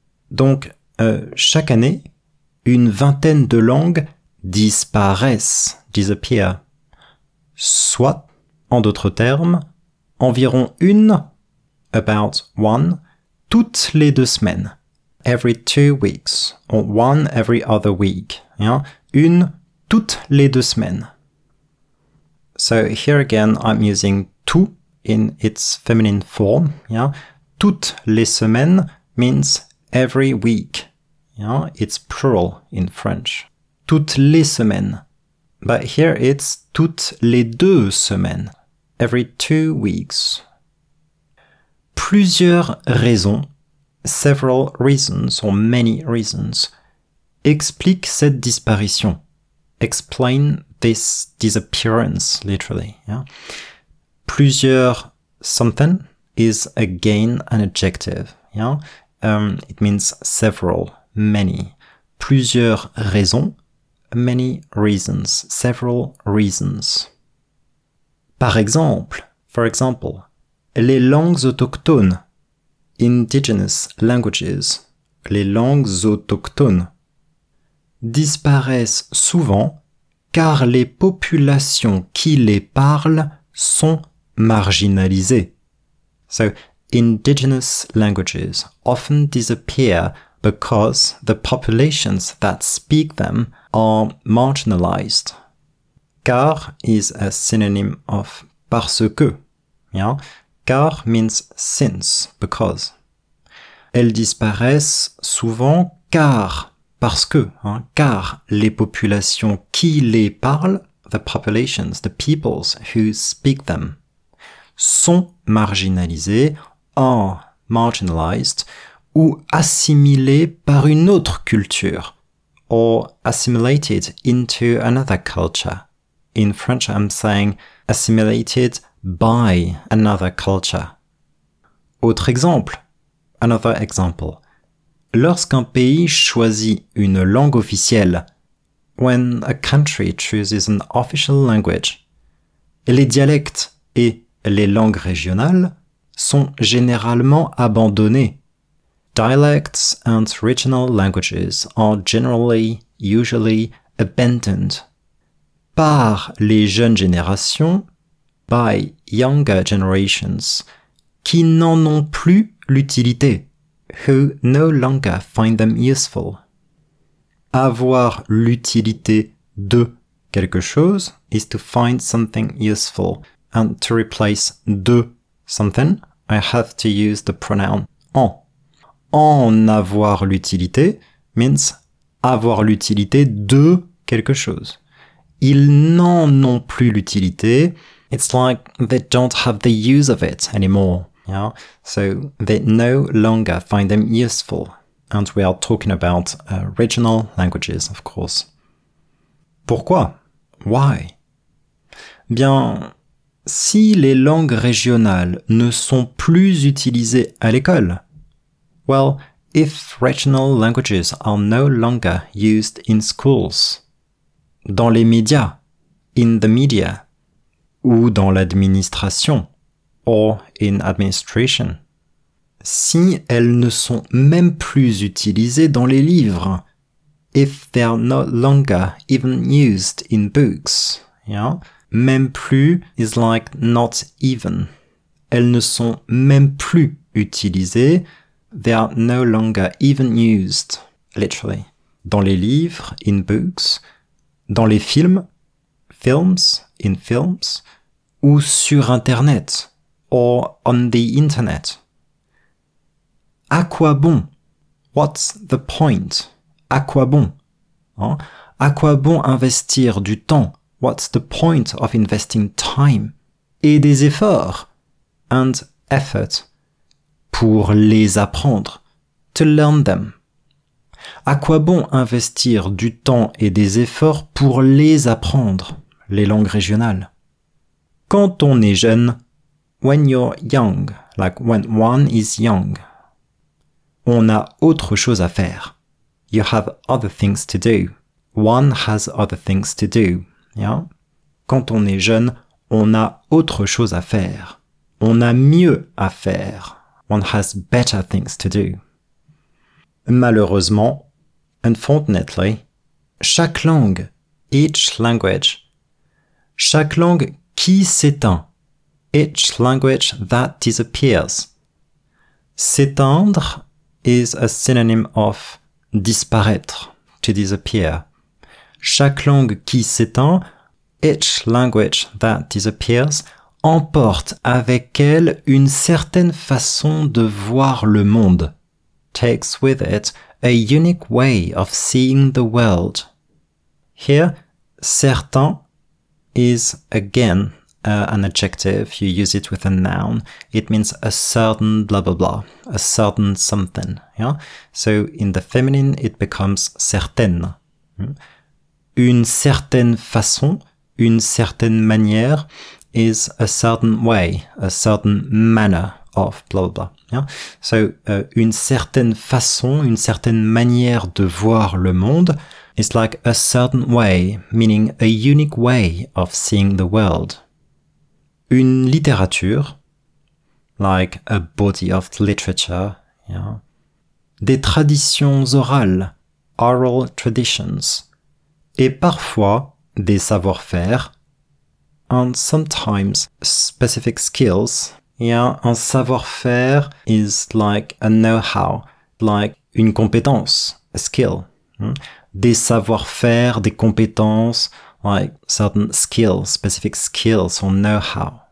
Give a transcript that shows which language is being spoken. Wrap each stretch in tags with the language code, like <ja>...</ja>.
<fr>Donc, chaque année, une vingtaine de langues disparaissent,</fr> <en>disappear.</en> <fr>Soit, en d'autres termes, environ une,</fr> <en>about one,</en> <fr>toutes les deux semaines.</fr> <en>Every 2 weeks, or one every other week. Yeah?</en> <fr>Une, toutes les deux semaines.</fr> <en>So here again, I'm using tout in its feminine form. Yeah?</en> <fr>Toutes les semaines</fr> <en>means every week. Yeah? It's plural in French.</en> <fr>Toutes les semaines.</fr> <en>But here it's</en> <fr>toutes les deux semaines.</fr> <en>Every 2 weeks.</en> <fr>Plusieurs raisons,</fr> <en>several reasons or many reasons,</en> <fr>expliquent cette disparition.</fr> <en>Explain this disappearance, literally. Yeah? Plusieurs something is again an adjective. Yeah? It means several, many.</en> <fr>Plusieurs raisons,</fr> <en>many reasons, several reasons.</en> <fr>For example, les langues autochtones,</fr> <en>indigenous languages,</en> <fr>les langues autochtones, disparaissent souvent car les populations qui les parlent sont marginalisées.</fr> <en>So, indigenous languages often disappear because the populations that speak them are marginalized. Car is a synonym of</en> <fr>parce que.</fr> <en>Yeah? Car means since, because.</en> <fr>Elles disparaissent souvent car, parce que. Hein? Car les populations qui les parlent,</fr> <en>the populations, the peoples who speak them,</en> <fr>sont marginalisées,</fr> <en>are marginalized,</en> <fr>ou assimilées par une autre culture,</fr> <en>or assimilated into another culture. In French, I'm saying assimilated by another culture.</en> <fr>Autre exemple,</fr> <en>Another example.</en> <fr>Lorsqu'un pays choisit une langue officielle,</fr> <en>when a country chooses an official language,</en> <fr>les dialectes et les langues régionales sont généralement abandonnés.</fr> <en>Dialects and regional languages are generally, usually abandoned.</en> <fr>Par les jeunes générations, by</fr> <en>younger generations,</en> <fr>qui n'en ont plus l'utilité,</fr> <en>who no longer find them useful.</en> <fr>Avoir l'utilité de quelque chose</fr> <en>is to find something useful, and to replace de something, I have to use the pronoun en.</en> <fr>En avoir l'utilité means avoir l'utilité de quelque chose. Ils n'en ont plus l'utilité.</fr> <en>It's like they don't have the use of it anymore. Yeah? So they no longer find them useful. And we are talking about regional languages, of course.</en> <fr>Pourquoi?</fr> <en>Why?</en> <fr>Bien, si les langues régionales ne sont plus utilisées à l'école.</fr> <en>Well, if regional languages are no longer used in schools.</en> <fr>Dans les médias,</fr> <en>in the media,</en> <fr>ou dans l'administration,</fr> <en>or in administration.</en> <fr>Si elles ne sont même plus utilisées dans les livres,</fr> <en>if they're no longer even used in books,</en> <fr>yeah, même plus</fr> <en>is like not even.</en> <fr>Elles ne sont même plus utilisées,</fr> <en>they're no longer even used,</en> <fr>literally, dans les livres,</fr> <en>in books,</en> <fr>dans les films,</fr> <en>films, in films,</en> <fr>ou sur Internet,</fr> <en>or on the Internet.</en> <fr>À quoi bon?</fr> <en>What's the point?</en> <fr>À quoi bon? Hein? À quoi bon investir du temps?</fr> <en>What's the point of investing time?</en> <fr>Et des efforts?</fr> <en>And effort.</en> <fr>Pour les apprendre?</fr> <en>To learn them.</en> <fr>À quoi bon investir du temps et des efforts pour les apprendre, les langues régionales? Quand on est jeune,</fr> <en>when you're young, like when one is young,</en> <fr>on a autre chose à faire.</fr> <en>You have other things to do. One has other things to do. Yeah?</en> <fr>Quand on est jeune, on a autre chose à faire. On a mieux à faire.</fr> <en>One has better things to do.</en> <fr>Malheureusement,</fr> <en>unfortunately,</en> <fr>chaque langue,</fr> <en>each language,</en> <fr>chaque langue qui s'éteint,</fr> <en>each language that disappears. S'éteindre is a synonym of disparaître, to disappear.</en> <fr>Chaque langue qui s'éteint,</fr> <en>each language that disappears,</en> <fr>emporte avec elle une certaine façon de voir le monde.</fr> <en>Takes with it a unique way of seeing the world. Here, certain is again an adjective. You use it with a noun. It means a certain blah blah blah, a certain something. Yeah. So in the feminine, it becomes certaine.</en> <fr>Une certaine façon, une certaine manière</fr> <en>is a certain way, a certain manner. Of blah blah blah. Yeah?</en> <fr>So, une certaine façon, une certaine manière de voir le monde</fr> <en>is like a certain way, meaning a unique way of seeing the world.</en> <fr>Une littérature,</fr> <en>like a body of literature. Yeah?</en> <fr>Des traditions orales,</fr> <en>oral traditions.</en> <fr>Et parfois, des savoir-faire,</fr> <en>and sometimes specific skills.</en> <fr>Yeah, un savoir-faire</fr> <en>is like a know-how,</en> <fr>like une compétence,</fr> <en>a skill.</en> <fr>Des savoir-faire, des compétences,</fr> <en>like certain skills, specific skills or know-how.</en>